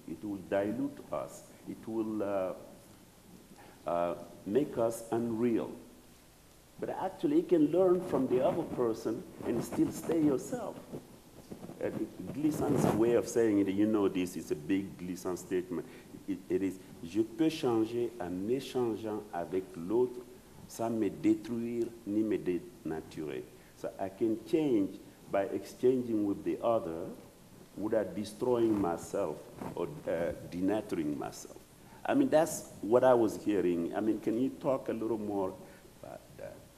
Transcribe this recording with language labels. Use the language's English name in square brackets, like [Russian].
[English] It will dilute us. It will make us unreal. But actually, you can learn from the other person and still stay yourself. Glissant's way of saying it, you know this, it's a big Glissant statement. It is, [French] je peux changer en échangeant avec l'autre sans me détruire ni me dénaturer. [English] So I can change by exchanging with the other without destroying myself or denaturing myself. I mean, that's what I was hearing. I mean, can you talk a little more about that?